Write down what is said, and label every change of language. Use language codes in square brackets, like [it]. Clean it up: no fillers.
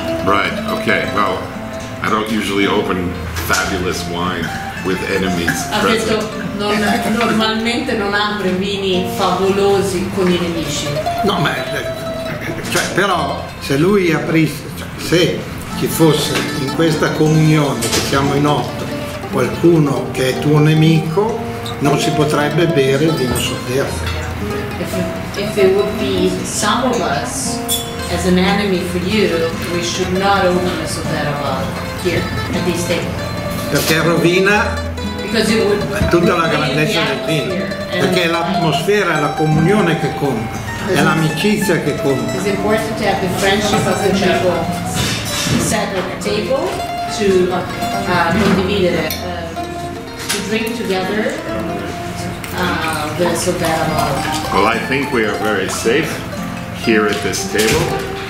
[en] Right, okay, well, I don't usually open fabulous wine with enemies. [it] Ha detto, normalmente non apre vini favolosi con i nemici. No, ma, cioè, però, se lui aprisse, cioè, se ci fosse in questa comunione, che siamo in otto, qualcuno che è tuo nemico, non si potrebbe bere vino Soldera. [en] If it would be some of us as an enemy for you, we should not open a Soldera bottle here at this table. [it] Perché rovina [en] because it would [it] tutta la grandezza del vino. Perché è l'atmosfera, è la comunione che conta, è l'amicizia che conta. [en] It's important to have the friendship of the people set at the table to [it] condividere, [en] to drink together. Well, I think we are very safe here at this table.